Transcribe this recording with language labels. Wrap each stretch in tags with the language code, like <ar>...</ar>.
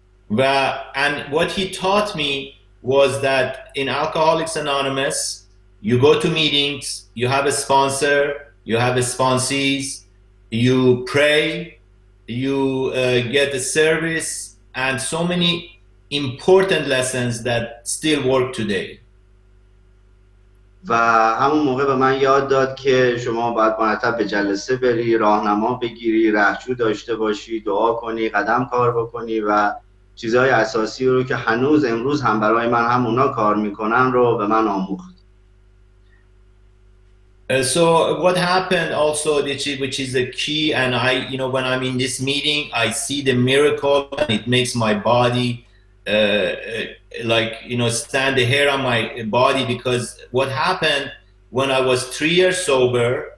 <en>و and what he taught me was that in Alcoholics Anonymous you go to meetings, you have a sponsor, you have sponsees, you pray, you get a service and so many important lessons that still work today.</en> <fa>و همون موقع به من یاد داد که شما باید مرتب به جلسه بری، راهنما بگیری، رهجو داشته باشی، دعا کنی، قدم کار بکنی و چیزهای اساسی رو که هنوز امروز هم برای من هم اونا کار میکنن رو به من آموخت.</fa> <en>So what happened also which is the key and I you know when I'm in this meeting I see the miracle and it makes my body stand the hair on my body because what happened when I was 3 years sober</en>